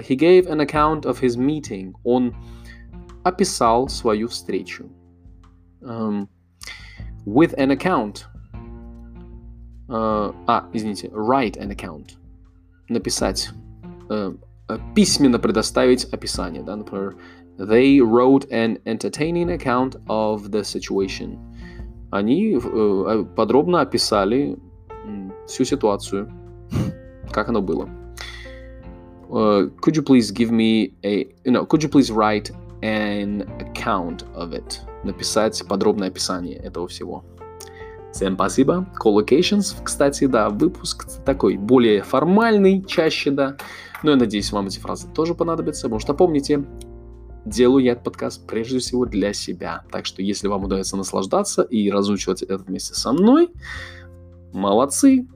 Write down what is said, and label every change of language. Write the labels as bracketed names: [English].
[English] He gave an account of his meeting. [Russian] Он описал свою встречу. [English] With an account. [Russian] Извините. [English] Write an account. [Russian] Написать. Письменно предоставить описание. Да? Например, [English] they wrote an entertaining account of the situation. [Russian] Они подробно описали всю ситуацию. Как оно было. [English] Could you please give me a... No, could you please write an account of it. [Russian] Написать подробное описание этого всего. Всем спасибо. Collocations, кстати, да, выпуск такой более формальный, чаще, да. Но я надеюсь, вам эти фразы тоже понадобятся. Потому что помните, делаю я этот подкаст прежде всего для себя. Так что если вам удается наслаждаться и разучивать это вместе со мной, молодцы.